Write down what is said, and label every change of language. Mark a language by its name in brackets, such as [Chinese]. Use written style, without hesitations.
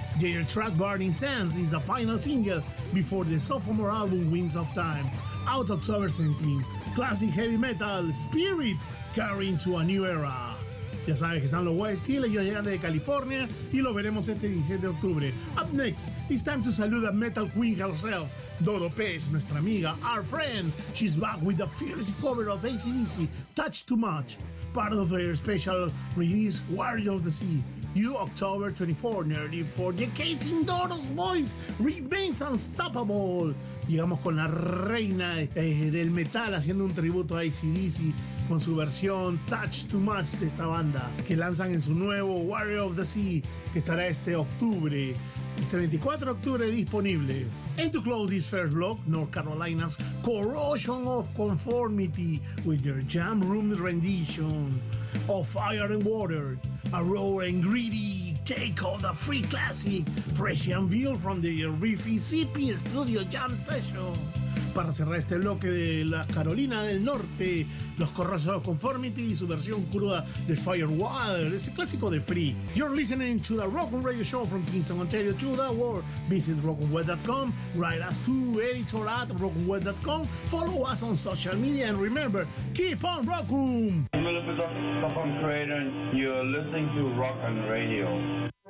[English] Their track Burning Sands is the final single before the sophomore album Wings of Time, out October 17. Classic heavy metal, Spirit, carrying to a new era. [Spanish] Ya saben que están los White Steel, ellos llegan de California y lo veremos este 17 de octubre. [English] Up next, it's time to salute a metal queen herself, Dodo Pez, [Spanish] nuestra amiga, [English] our friend. She's back with a fierce cover of AC/DC, Touch Too Much, part of her special release, Warrior of the Sea, due October 24, nearly 4 decades in Dodo's voice remains unstoppable. [Spanish] Llegamos con la reina del metal haciendo un tributo a AC/DC con su versión Touch Too Much de esta banda, que lanzan en su nuevo Warrior of the Sea, que estará este octubre, este 24 de octubre disponible. [English] And to close this first block, North Carolina's Corrosion of Conformity with their Jam Room rendition of Fire and Water, a raw and greedy take on the free classic, fresh unveiled from the Riffy CP Studio Jam Session. [Spanish] para cerrar este bloque de la Carolina del Norte, los Corrosos of Conformity y su versión cruda de Firewater, ese clásico de Free. [English] You're listening to the Rock'n Radio Show from Kingston, Ontario to the world. Visit rock'nweb.com, write us to editor@rock'nweb.com, follow us on social media, and remember, keep on rock'n! I'm Rock'n Creator, and you're listening to Rock'n Radio.